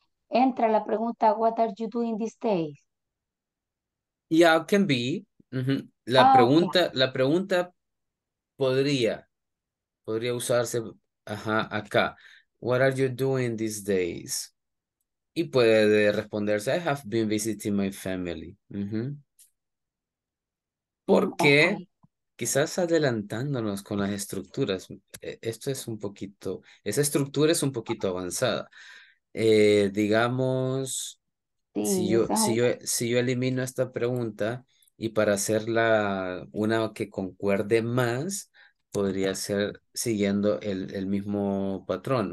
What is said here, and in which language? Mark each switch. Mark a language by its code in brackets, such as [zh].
[es] Entra la pregunta, [en] what are you doing these days? Yeah, it can be. [es] La pregunta, okay. La pregunta podría usarse acá. [en] What are you doing these days? [es] Y puede responderse, [en] I have been visiting my family. [es] Porque quizás adelantándonos con las estructuras, esa estructura es un poquito avanzada. Digamos, sí, si yo elimino esta pregunta y para hacerla una que concuerde más, podría ser siguiendo el mismo patrón.